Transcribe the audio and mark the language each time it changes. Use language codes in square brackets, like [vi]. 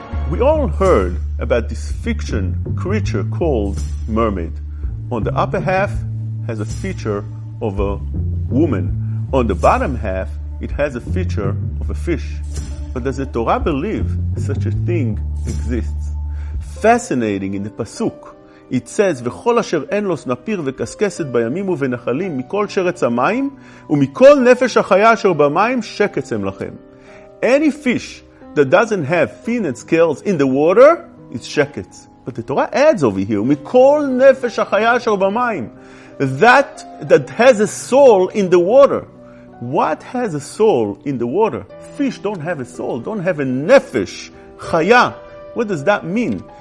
[en] We all heard about this fiction creature called mermaid. On the upper half has a feature of a woman. On the bottom half, it has a feature of a fish. But does the Torah believe such a thing exists? Fascinating in the Pasuk. [he] It says, וכל אשר אין לו סנפיר וקסקסת בימים ובנחלים מכל שרץ המים ומכל נפש החיה אשר במים שקצם לכם. [en] Any fish that doesn't have fin and scales in the water is shekets. But the Torah adds over here, [he] מכל נפש החיה אשר במים, [en] that has a soul in the water. What has a soul in the water? Fish don't have a soul, don't have a nefesh, chaya. What does that mean?